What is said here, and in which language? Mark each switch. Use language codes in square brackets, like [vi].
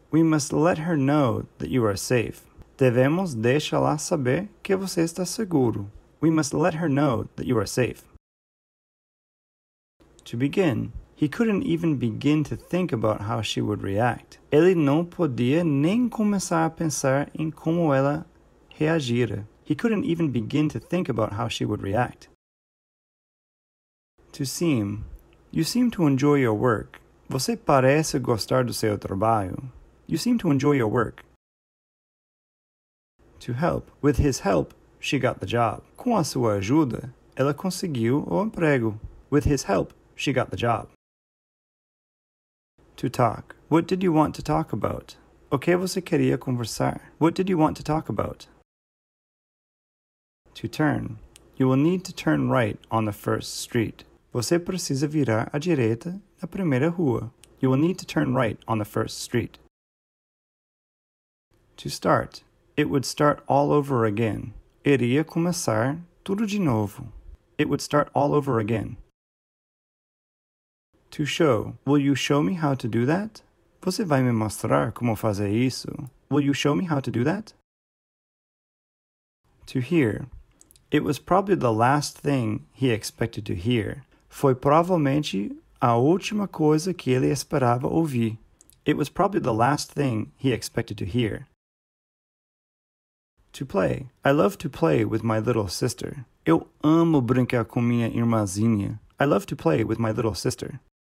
[en] We must let her know that you are safe. [pt] Devemos deixá-la saber que você está seguro. [en] We must let her know that you are safe. To begin. He couldn't even begin to think about how she would react. [pt] Ele não podia nem começar a pensar em como ela reagira. [en] He couldn't even begin to think about how she would react. To seem. You seem to enjoy your work. [pt] Você parece gostar do seu trabalho. [en] You seem to enjoy your work. To help. With his help, she got the job. [pt] Com a sua ajuda, ela conseguiu o emprego. [en] With his help, she got the job. To talk. What did you want to talk about? [pt] O que você queria conversar? [en] What did you want to talk about? To turn. You will need to turn right on the first street. [pt] Você precisa virar à direita na primeira rua. [en] You will need to turn right on the first street. To start. It would start all over again. [pt] Iria começar tudo de novo. [en] It would start all over again. To show. Will you show me how to do that? [pt] Você vai me mostrar como fazer isso? [en] Will you show me how to do that? To hear. It was probably the last thing he expected to hear. [pt] Foi provavelmente a última coisa que ele esperava ouvir. [en] It was probably the last thing he expected to hear. To play. I love to play with my little sister. [pt] Eu amo brincar com minha irmãzinha. [en] I love to play with my little sister.